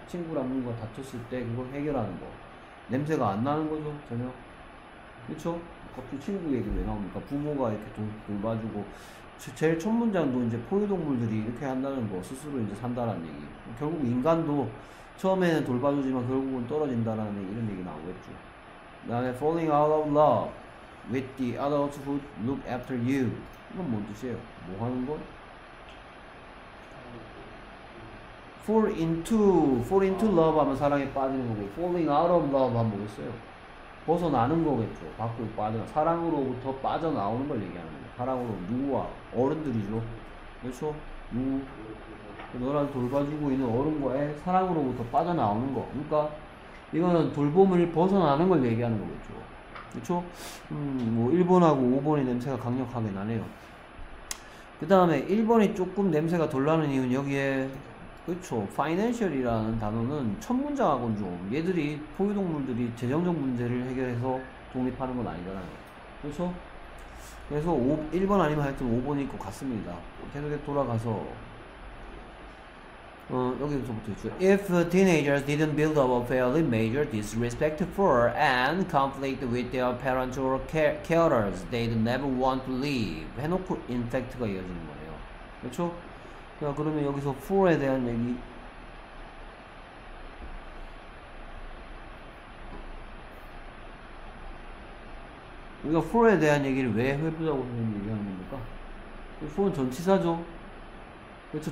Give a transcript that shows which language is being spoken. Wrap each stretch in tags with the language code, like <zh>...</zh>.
<ko>친구랑 누군가 다퉜을 때 그걸 해결하는 거. 냄새가 안 나는 거죠, 전혀. 그렇죠? 갑자기 친구 얘기 왜 나옵니까? 부모가 이렇게 돌봐주고 제일 첫 문장도 이제 포유동물들이 이렇게 한다는 거, 스스로 이제 산다라는 얘기. 결국 인간도 처음에는 돌봐주지만 결국은 떨어진다라는 이런 얘기 나오겠죠. 그다음에</ko> <en>falling out of love with the adults who look after you.</en> <ko>이건 뭔 뜻이에요? 뭐 하는 거?</ko> <en>Fall into love</en> <ko>하면 사랑에 빠지는 거고,</ko> <en>falling out of love</en> <ko>하면 뭐겠어요? 벗어나는 거겠죠. 밖으로 빠져나. 사랑으로부터 빠져나오는 걸 얘기하는 거예요. 사랑으로 누구와? 어른들이죠. 그렇죠? 너랑 돌봐주고 있는 어른과의 사랑으로부터 빠져나오는 거. 그러니까 이거는 돌봄을 벗어나는 걸 얘기하는 거겠죠. 그렇죠? 뭐 1번하고 5번의 냄새가 강력하게 나네요. 그 다음에 1번이 조금 냄새가 덜 나는 이유는 여기에 그렇죠. Financial이라는 단어는 첫 문장하고는 좀 얘들이 포유동물들이 재정적 문제를 해결해서 독립하는 건 아니다라는 거죠. 그렇죠? 그래서 1번 아니면 하여튼 5번일 것 같습니다. 계속해서 돌아가서 여기서부터 있죠.</ko> <en>If teenagers didn't build up a fairly major disrespect for and conflict with their parents or carers, they'd never want to leave.</en> <ko>해놓고 인팩트가 이어지는 거예요. 그렇죠? 자, 그러면 여기서 for에 대한 얘기. 우리가 for에 대한 얘기를 왜 해보자고 얘기하는 겁니까? for는 전치사죠. 그렇죠.</ko>